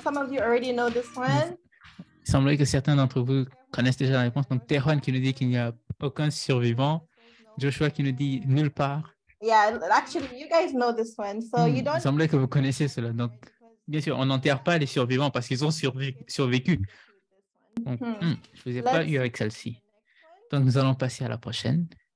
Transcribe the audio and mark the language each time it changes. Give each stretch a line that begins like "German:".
French: Il semblerait que certains d'entre vous connaissent déjà la réponse. Donc, Tehran qui nous dit qu'il n'y a aucun survivant. Joshua qui nous dit nulle part.
English: Yeah, actually, you guys know this one, so you don't.
French: Il semblait que vous connaissiez cela. Donc, bien sûr, on n'enterre pas les survivants parce qu'ils ont survécu. Donc, je vous ai pas eu avec celle-ci. Donc, nous allons passer à la prochaine.